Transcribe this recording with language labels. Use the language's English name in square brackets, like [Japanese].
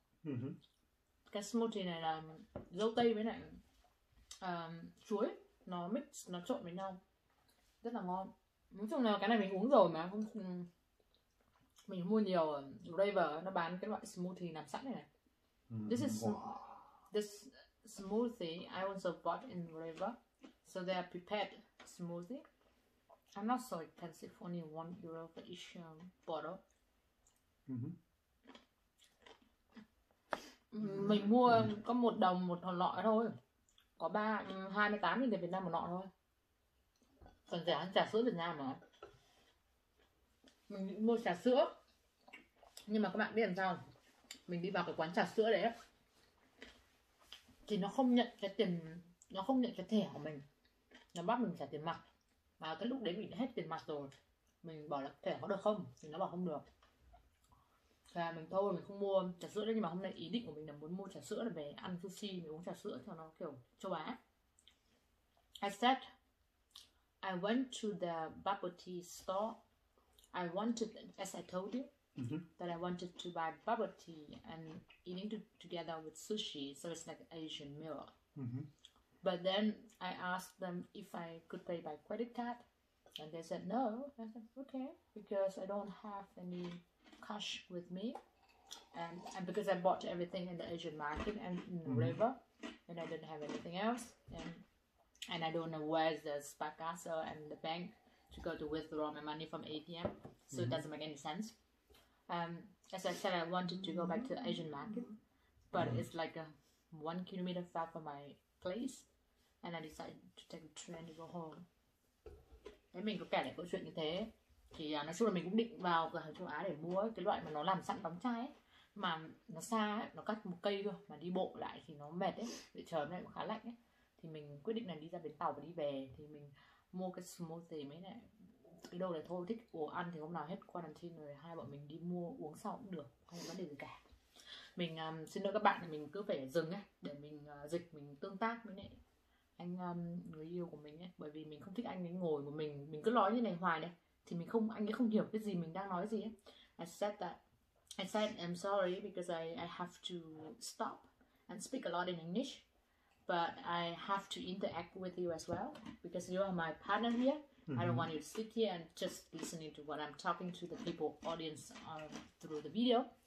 [Vietnamese] Mm-hmm. Cái smoothie này là dâu tây với này chuối nó mix nó trộn với nhau rất là ngon. Nói chung là cái này mình uống rồi mà không mình mua nhiều flavor, nó bán cái loại smoothie làm sẵn này. [English] This smoothie I also bought in flavor, so they are prepared smoothie. I'm not so expensive, only 1 euro for each bottle. Mm-hmm. [Vietnamese] Mình mua có một đồng một lọ thôi. Có 28.000 tiền Việt Nam một nọ thôi. Còn rẻ hơn trà sữa Việt Nam mà. Mình mua trà sữa. Nhưng mà các bạn biết làm sao? Mình đi vào cái quán trà sữa đấy. Thì nó không nhận cái tiền, nó không nhận cái thẻ của mình. Nó bắt mình trả tiền mặt. Và cái lúc đấy mình đã hết tiền mặt rồi. Mình bảo là thẻ có được không? Thì nó bảo không được. Thế là mình thôi, mình không mua trà sữa đấy, nhưng mà hôm nay ý định của mình là muốn mua trà sữa để về ăn sushi, mình uống trà sữa cho nó kiểu châu Á. [English] I said, I went to the bubble tea store. I wanted, as I told you, that I wanted to buy bubble tea and eating together with sushi, so it's like Asian meal. But then I asked them if I could pay by credit card, and they said no. I said, okay, because I don't have any cash with me, and because I bought everything in the Asian market and in the river, and I didn't have anything else, and I don't know where's the spa castle and the bank to go to withdraw my money from ATM, so it doesn't make any sense. As I said, I wanted to go back to the Asian market, but it's like a 1 kilometer far from my place, and I decided to take a train to go home. [Vietnamese] Thế mình có kể lại câu chuyện như thế. Thì nói chung là mình cũng định vào cửa hàng châu Á để mua cái loại mà nó làm sẵn đóng chai ấy. Mà nó xa ấy, nó cắt một cây thôi, mà đi bộ lại thì nó mệt ấy, để chờ lại cũng khá lạnh ấy. Thì mình quyết định là đi ra bến tàu và đi về. Thì mình mua cái smoothie mấy này. Cái đồ này thôi, thích uống ăn thì hôm nào hết quarantine rồi hai bọn mình đi mua uống sau cũng được, không có vấn đề gì cả. Mình xin lỗi các bạn thì mình cứ phải dừng ấy, để mình dịch, mình tương tác với này anh người yêu của mình ấy, bởi vì mình không thích anh ấy ngồi một mình cứ nói như này hoài này, thì mình không, anh ấy không hiểu cái gì mình đang nói gì ấy. [English] I said I'm sorry because I have to stop and speak a lot in English, but I have to interact with you as well because you are my partner here. I don't want you to sit here and just listening to what I'm talking to the people audience through the video.